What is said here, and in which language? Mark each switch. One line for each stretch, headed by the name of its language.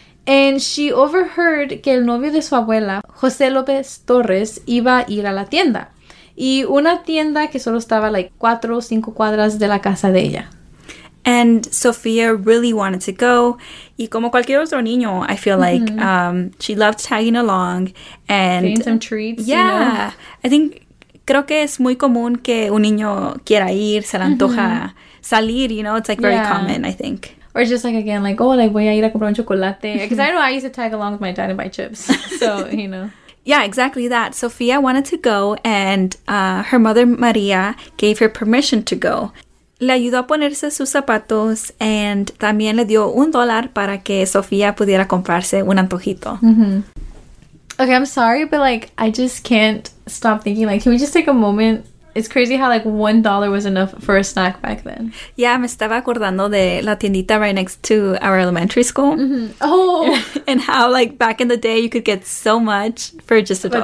English: And she overheard
Spanish: que el novio de su abuela, José López Torres, iba a ir a la tienda. Y una tienda que solo estaba like 4 o 5 cuadras de la casa de ella.
English: And Sophia really wanted to go.
Spanish: Y como cualquier otro niño,
English: I feel like she loved tagging along. And getting some treats. Yeah, you know? I think,
Spanish: creo que es muy común que un niño quiera ir, se le antoja salir,
English: you know, it's like very common, I think. Or just like again, like, oh, like
Spanish: voy a ir a comprar un chocolate.
English: Because I know I used to tag along with my dad and buy chips. So, you know. Yeah, exactly that. Sophia wanted to go and her mother, Maria, gave her permission to go.
Spanish: Le ayudó a ponerse sus zapatos and también le dio $1 para que Sophia pudiera comprarse un antojito.
English: Mm-hmm. Okay, I'm sorry, but like, I just can't stop thinking, like, can we just take a moment? It's crazy how like $1 was enough for a snack back then.
Spanish: Yeah, me estaba acordando de la tiendita
English: right next to our elementary school. Mm-hmm. Oh! And how like back in the day you could get so much for just a dollar.